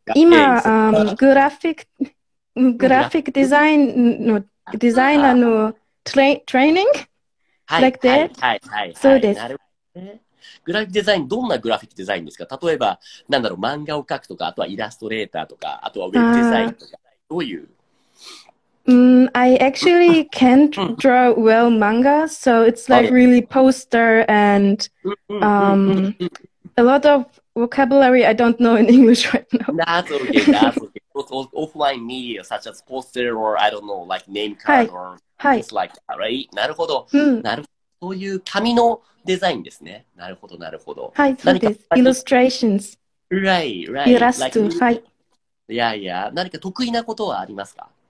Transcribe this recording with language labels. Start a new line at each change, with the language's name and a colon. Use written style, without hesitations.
Japanese: 今、グラフィックデザインのデザイナーのトレーニングはい、
English: like that?
Japanese: はい、はい、はい。そうです。なるほどね。グラフィックデザイン、どんなグラフィックデザインですか?例えば、なんだろう、漫画を描くとか、あとはイラストレーターとか、あとはウェブデザインとか、どういう?
English: I actually can't draw well manga, so it's like really poster and a lot of vocabulary I don't know in English right now. That's okay, that's okay. Also, offline media, such as poster or I don't know, like name card or things like that, right?
Japanese: なるほど。なるほど。そういう紙のデザインですね。なるほど、なるほど。はい、そうです。Illustrations。
English: Right, right.
Japanese: イラスト、はい。いやいや、何か得意なことはありますか?